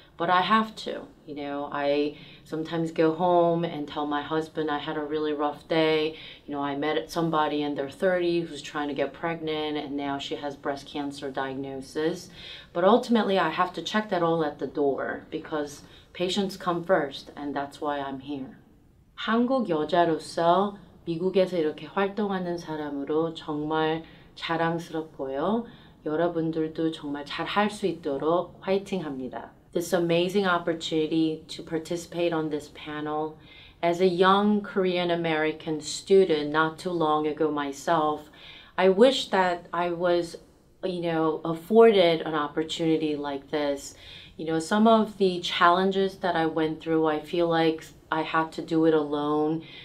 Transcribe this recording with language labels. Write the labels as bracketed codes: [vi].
[en] But I have to, you know, I sometimes go home and tell my husband I had a really rough day. You know, I met somebody in their 30s who's trying to get pregnant, and now she has breast cancer diagnosis. But ultimately, I have to check that all at the door, because patients come first, and that's why I'm here. [ko] 한국 여자로서 미국에서 이렇게 활동하는 사람으로 정말 자랑스럽고요. 여러분들도 정말 잘할 수 있도록 화이팅합니다. [en] This amazing opportunity to participate on this panel. As a young Korean American student not too long ago myself, I wish that I was, you know, afforded an opportunity like this. You know, some of the challenges that I went through, I feel like I had to do it alone.